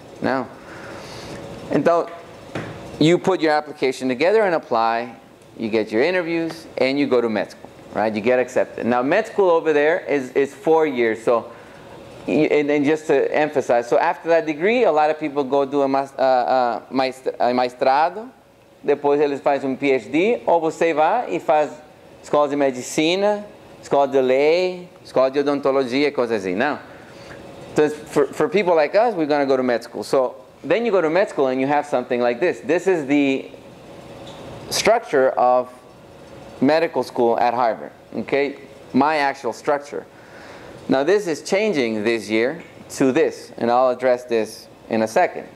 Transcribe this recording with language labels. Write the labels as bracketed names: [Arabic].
[English] Now, and so you put your application together and apply, you get your interviews, and you go to med school, right? You get accepted. Now, med school over there is 4 years, so, and just to emphasize, so after that degree, a lot of people go do a maestrado. [Portuguese] Depois eles fazem PhD, ou você vai e faz escola de medicina, escola de lei, escola de odontologia, coisas assim. [English] Now, for people like us, we're going to go to med school. So then you go to med school and you have something like this. This is the structure of medical school at Harvard, okay? My actual structure. Now, this is changing this year to this, and I'll address this in a second.